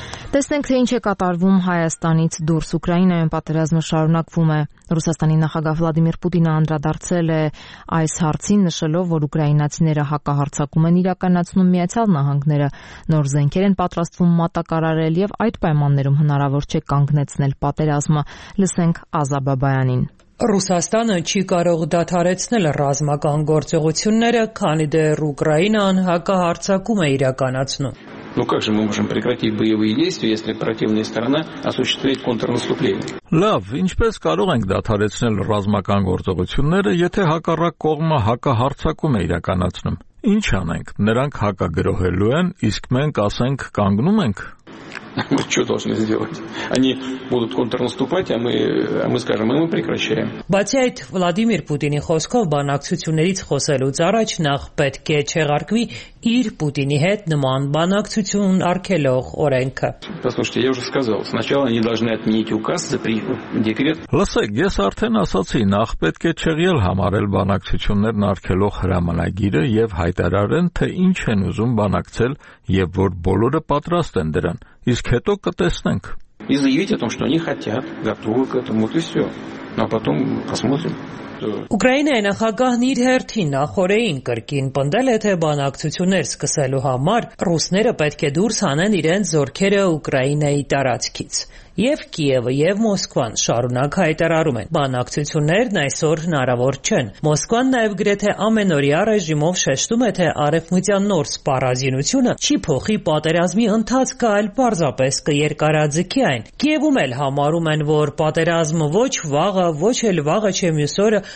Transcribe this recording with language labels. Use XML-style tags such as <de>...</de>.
<hy>Տեսնենք, թե ինչ է կատարվում Հայաստանից դուրս։ Ուկրաինայում պատերազմը շարունակվում է։ Ռուսաստանի նախագահ Վլադիմիր Պուտինը անդրադարձել է այս հարցին, նշելով, որ ուկրաինացիները հակահարցակում են իրականացնում Միացյալ Նահանգները, նոր զենքեր են պատրաստվում մատակարարել և այդ պայմաններում հնարավոր չէ կանգնեցնել պատերազմը։ Լսենք Ազա Բաբայանին։ Ռուսաստանը չի կարող դադարեցնել ռազմական գործողությունները, քանի դեռ Ուկրաինան հակահարցակում է իրականացնում։</hy> <ru>Ну как же мы можем прекратить боевые действия, если противная сторона осуществляет контрнаступление?</ru> <hy>Լավ, ինչպես կարող ենք դադարեցնել ռազմական գործողությունները, եթե հակառակ կողմը հակահարցակում է իրականացնում։ Ինչ անենք, նրանք հակագրոհելու են, իսկ մենք ասենք կանգնում ենք։</hy> <ru>Мы что должны сделать? Они будут контрнаступать, а мы скажем, мы прекращаем.</ru> <hy>Բայց այդ Վլադիմիր Պուտինի խոսքով բանակցություններից խոսելուց առաջ նախ պետք է չեղարկվի իր Պուտինի հետ նման բանակցություն արգելող օրենքը։</hy> <ru>Послушайте, я уже сказал, сначала они должны отменить указ за при декрет.</ru> <hy>Լսեք, ես արդեն ասացի, նախ պետք է չեղյալ համարել բանակցություններն արգելող հրամանագիրը եւ հայտարարեն, թե ինչ են ուզում բանակցել եւ որ բոլորը պատրաստ են դրան։ Իսկ հետո կտեսնենք։</hy> <ru>И заявить о том, что они хотят, готовы к этому, вот и всё. А потом посмотрим.</ru> <hy>Ուկրաինայի նախագահն իր հերթին նախորեին կրկին պնդել է, թե բանակցություններ սկսելու համար ռուսները պետք է դուրս հանեն իրենց զորքերը Ուկրաինայի տարածքից։ Եվ Կիևը, և Մոսկվան շարունակ հայտարարում են. Բանակցություններն այսօր հնարավոր չեն։ Մոսկվան նաև գրեթե ամենօրյա ռեժիմով շեշտում է, թե արևմտյան նոր սպառազինությունը չի փոխի պատերազմի ընթացքը, այլ պարզապես կերկարաձգի այն։ Կիևում էլ համարում են, որ պատերազմը ոչ վաղը, ոչ էլ վաղը չէ մյուս օրը</hy>